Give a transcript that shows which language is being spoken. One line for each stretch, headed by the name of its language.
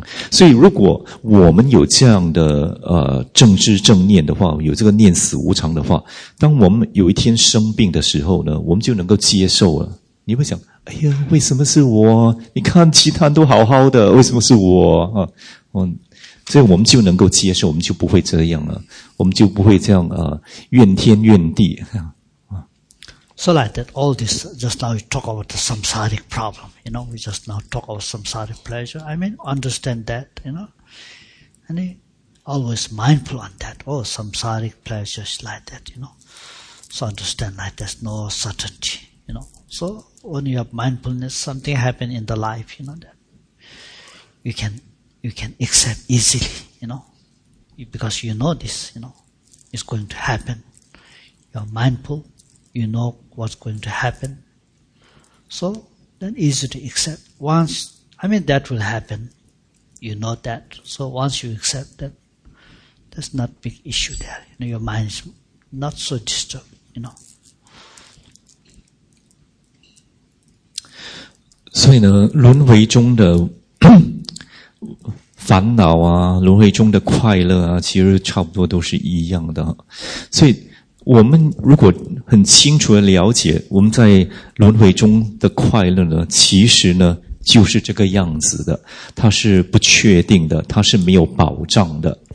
Chinese: 所以如果我们有这样的正知正念的话，有这个念死无常的话，当我们有一天生病的时候呢，我们就能够接受了。你会想，哎呀，为什么是我？你看其他人都好好的，为什么是我啊？所以我们就能够接受，我们就不会这样了，我们就不会这样怨天怨地。
English: So like that, all this, just now we talk about the samsaric problem, you know, we just now talk about samsaric pleasure. I mean, understand that, you know, and always mindful on that. Oh, samsaric pleasure is like that, you know. So understand like there's no certainty, you know. So when you have mindfulness, something happened in the life, you know, that you can accept easily, you know, because you know this, you know, it's going to happen. You're mindful. You know what's going to happen. So, then easy to accept. That will happen. You know that. So, once you accept that, there's not big issue there. You know, your mind is not so disturbed, you know.
Chinese: 所以呢，轮回中的烦恼啊，轮回中的快乐啊，其实差不多都是一样的。所以我们如果很清楚的了解我们在轮回中的快乐呢，其实呢就是这个样子的，它是不确定的，它是没有保障的。